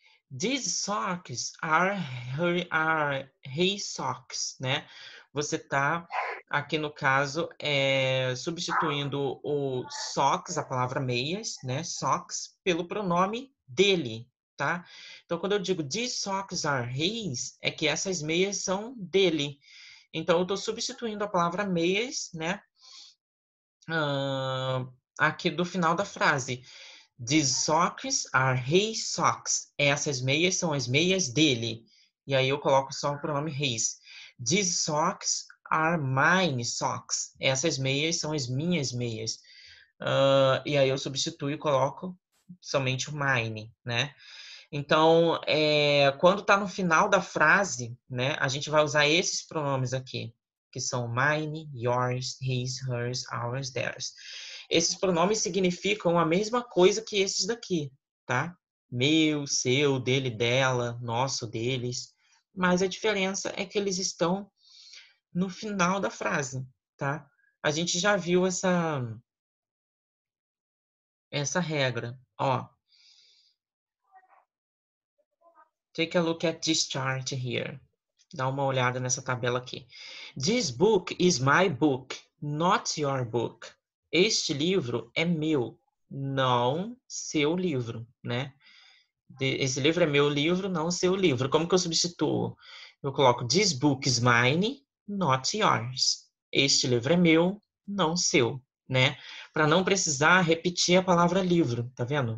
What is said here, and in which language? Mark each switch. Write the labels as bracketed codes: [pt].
[en] These socks are her, are his socks, né? [pt] Você tá aqui no caso substituindo o socks, a palavra meias, né? Socks pelo pronome dele, tá? Então quando eu digo [en] these socks are his, [pt] é que essas meias são dele. Então eu estou substituindo a palavra meias, né? Aqui do final da frase. [en] These socks are his socks. [pt] Essas meias são as meias dele. E aí eu coloco só o pronome his. [en] These socks are mine socks. [pt] Essas meias são as minhas meias. E aí eu substituo e coloco somente o mine, né? Então, quando está no final da frase, né, a gente vai usar esses pronomes aqui, que são mine, yours, his, hers, ours, theirs. Esses pronomes significam a mesma coisa que esses daqui, tá? Meu, seu, dele, dela, nosso, deles. Mas a diferença é que eles estão no final da frase, tá? A gente já viu essa regra, ó. [en] Take a look at this chart here. [pt] Dá uma olhada nessa tabela aqui. [en] This book is my book, not your book. [pt] Este livro é meu, não seu livro, né? Esse livro é meu livro, não seu livro. Como que eu substituo? Eu coloco [en] This book is mine, not yours. [pt] Este livro é meu, não seu, né? Para não precisar repetir a palavra livro, tá vendo?